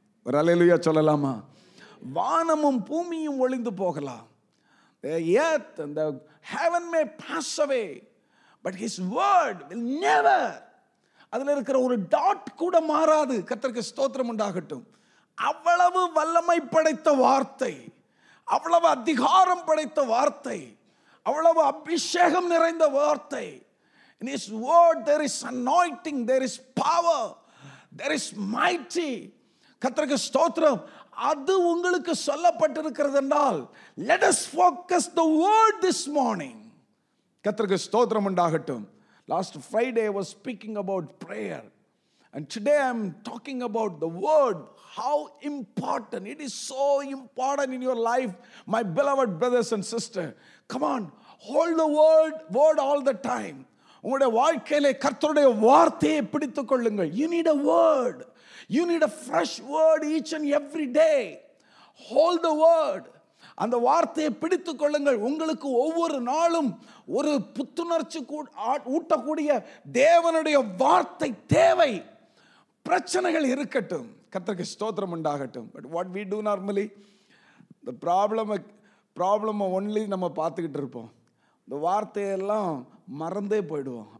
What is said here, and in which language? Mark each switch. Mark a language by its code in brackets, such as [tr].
[ta] ஒரு அல்லேலூயா சொல்லலாமா? வானமும் பூமியும் ஒளிந்து போகலாம், [en] earth and the heaven may pass away, but his word will never. [ta] அதுல இருக்கிற ஒரு டாட் கூட மாறாது. கர்த்தருக்கு ஸ்தோத்திரம் உண்டாகட்டும். அவ்வளவு வல்லமை படைத்த வார்த்தை, அவ்வளவு அதிகாரம் படைத்த வார்த்தை, அவ்வளவு அபிஷேகம் நிறைந்த வார்த்தை. [en] In his word there is anointing, there is power, there is mighty. [ta] கர்த்தருக்கு ஸ்தோத்திரம். அது உங்களுக்கு சொல்லப்பட்டிருக்கிறது என்றால் [en] let us focus the word this morning. [ta] கர்த்தருக்கு ஸ்தோத்திரம் உண்டாகட்டும். [en] Last Friday I was speaking about prayer, and today I am talking about the word. How important it is, so important in your life, my beloved brothers and sister. Come on, hold the word all the time. [ta] உங்களுடைய வாழ்க்கையில கர்த்தருடைய வார்த்தையை பிடித்துக் கொள்ளுங்கள். [en] You need a word. You need a fresh word each and every day. Hold the word. [ta] அந்த வார்த்தையை பிடித்துக் கொள்ளுங்கள். உங்களுக்கு ஒவ்வொரு நாளும் ஒரு புத்துணர்ச்சி ஊட்டக்கூடிய தேவனுடைய வார்த்தை தேவை. பிரச்சனைகள் இருக்கட்டும், கர்த்தருக்கு ஸ்தோத்திரம் உண்டாகட்டும். [en] but what we do normally, [ta] இந்த ப்ராப்ளமை ஒன்லி நம்ம பார்த்துக்கிட்டு இருப்போம், இந்த வார்த்தையெல்லாம் மறந்தே போயிடுவோம்.